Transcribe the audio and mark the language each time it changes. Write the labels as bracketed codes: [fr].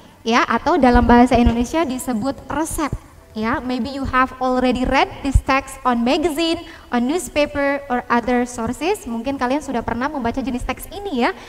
[id] Ya, atau dalam bahasa Indonesia disebut resep. [en] Ya, maybe you have already read this text on magazine, on newspaper, or other sources. [id] Mungkin kalian sudah pernah membaca jenis teks ini ya.